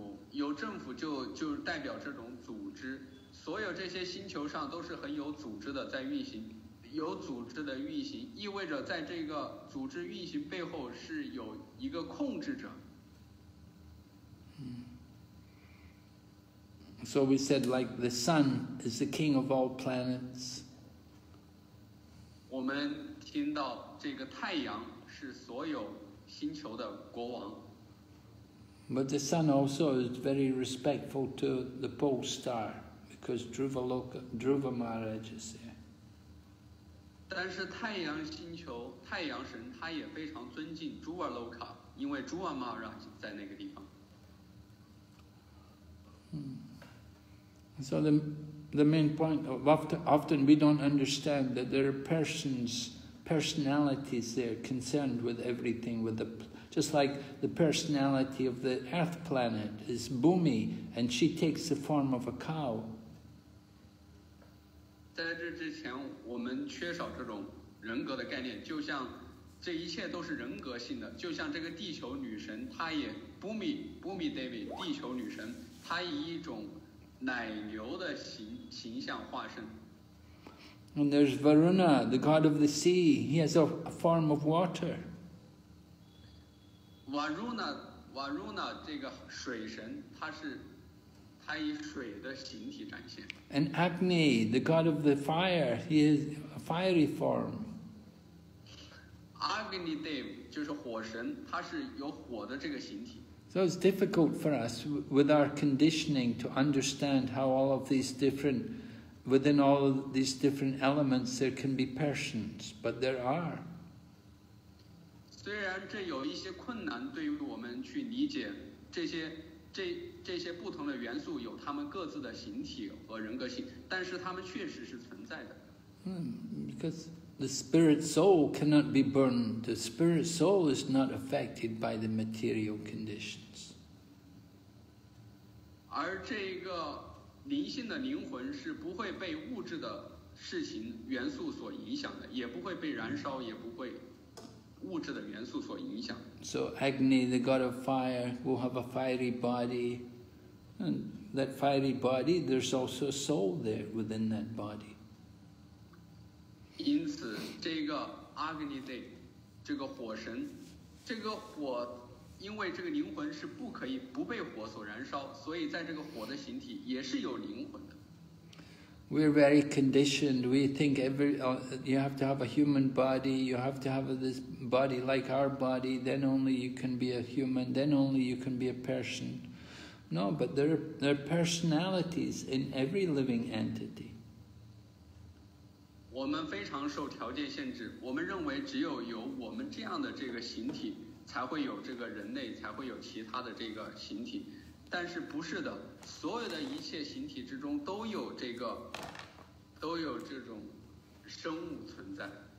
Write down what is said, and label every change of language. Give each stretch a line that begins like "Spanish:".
Chinese: 有政府就代表这种组织，所有这些星球上都是很有组织的在运行，有组织的运行意味着在这个组织运行背后是有一个控制者。
English: So we said like the sun is the king of all planets.
Chinese: 我们听到这个太阳是所有星球的国王。
English: But the sun also is very respectful to the pole star because Dhruva Maharaj is there.
Chinese: 但是太阳星球太阳神他也非常尊敬 Dhruva Loka, 因为 Dhruva Maharaj 在那个地方。
English: So the main point of often we don't understand that there are personalities there concerned with everything, with the, just like the personality of the earth planet is Bhumi, and she takes the form of a cow.
Chinese: 在这之前我们缺少这种人格的概念，就像这一切都是人格性的，就像这个地球女神她也 Bhumi Devi 地球女神她以一种奶牛的形象化身。
English: And there's Varuna, the god of the sea. He has a form of water.
Chinese: Varuna, 这个水神，他以水的形体展现。
English: And Agni, the god of the fire, he is a fiery form.
Chinese: Agni Dev, 就是火神，他是有火的这个形体。
English: So it's difficult for us with our conditioning to understand how all of these different, within all of these different elements there can be persons, but there are.
Chinese: 虽然这有一些困难对于我们去理解这些不同的元素有他们各自的形体和人格性，但是他们确实是存在的。
English: Because the spirit soul cannot be burned. The spirit soul is not affected by the material conditions.
Chinese: 而这个灵性的灵魂是不会被物质的事情元素所影响的，也不会被燃烧，也不会物质的元素所影响。
English: So Agni, the god of fire, will have a fiery body, and that fiery body, there's also a soul there within that body.
Chinese: 因此，这个 Agni Dev, 这个火神，这个火。因为这个灵魂是不可以不被火所燃烧，所以在这个火的形体也是有灵魂的。
English: We're very conditioned. We think you have to have a human body. You have to have this body like our body. Then only you can be a human. Then only you can be a person. No, but there are personalities in every living entity.
Chinese: 我们非常受条件限制。我们认为只有有我们这样的这个形体。才会有这个人类，才会有其他的这个形体，但是不是的，所有的一切形体之中都有这个，都有这种生物存在。